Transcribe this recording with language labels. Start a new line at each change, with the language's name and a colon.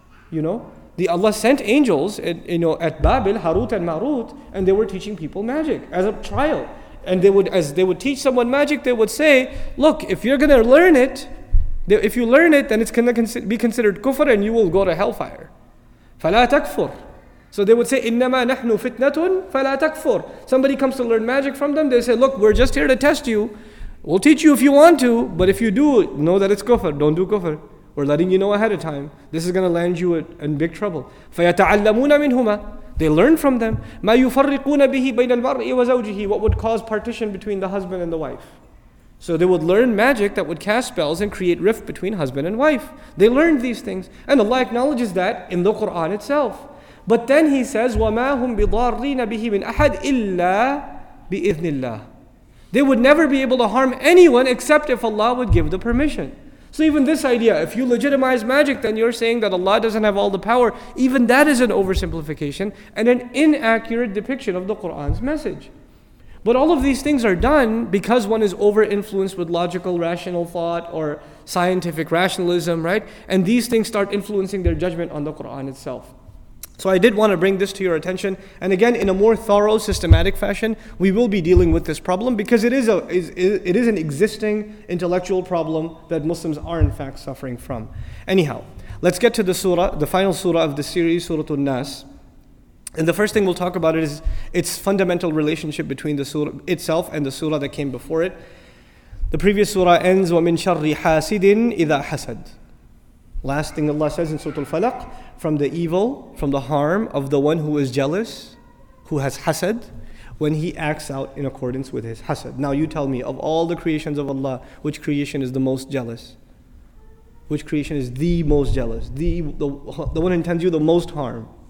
English: You know, Allah sent angels at Babel, Harut and Marut, and they were teaching people magic as a trial. And as they would teach someone magic, they would say, look, if you're going to learn it, if you learn it, then it's going to be considered kufr and you will go to hellfire.
Arabic: فَلَا تَكْفُرْ.
English: So they would say,
Arabic: إِنَّمَا نَحْنُ فِتْنَةٌ فَلَا تَكْفُرْ.
English: Somebody comes to learn magic from them, they say, look, we're just here to test you. We'll teach you if you want to, but if you do, know that it's kufr. Don't do kufr. We're letting you know ahead of time. This is going to land you in big trouble.
Arabic: فَيَتَعَلَّمُونَ مِنْهُمَا.
English: They learn from them.
Arabic: مَا يُفَرِّقُونَ بِهِ بَيْنَ الْمَرْءِ وَزَوْجِهِ.
English: What would cause partition between the husband and the wife? So they would learn magic that would cast spells and create rift between husband and wife. They learned these things. And Allah acknowledges that in the Qur'an itself. But then he says,
Arabic: وَمَا هُمْ بِضَارِّينَ بِهِ مِنْ أَحَدْ إِلَّا بِإِذْنِ اللَّهِ.
English: They would never be able to harm anyone except if Allah would give the permission. So even this idea, if you legitimize magic, then you're saying that Allah doesn't have all the power. Even that is an oversimplification and an inaccurate depiction of the Qur'an's message. But all of these things are done because one is over-influenced with logical, rational thought or scientific rationalism, right? And these things start influencing their judgment on the Qur'an itself. So I did want to bring this to your attention. And again, in a more thorough, systematic fashion, we will be dealing with this problem because it is an existing intellectual problem that Muslims are in fact suffering from. Anyhow, let's get to the surah, the final surah of the series, Surah An-Nas. And the first thing we'll talk about is its fundamental relationship between the surah itself and the surah that came before it. The previous surah ends,
Arabic: وَمِن شَرِّ حَاسِدٍ إِذَا حَسَدٍ.
English: Last thing Allah says in Surah Al-Falaq, from the evil, from the harm of the one who is jealous, who has hasad, when he acts out in accordance with his hasad. Now you tell me, of all the creations of Allah, which creation is the most jealous? Which creation is the most jealous? The one who intends you the most harm?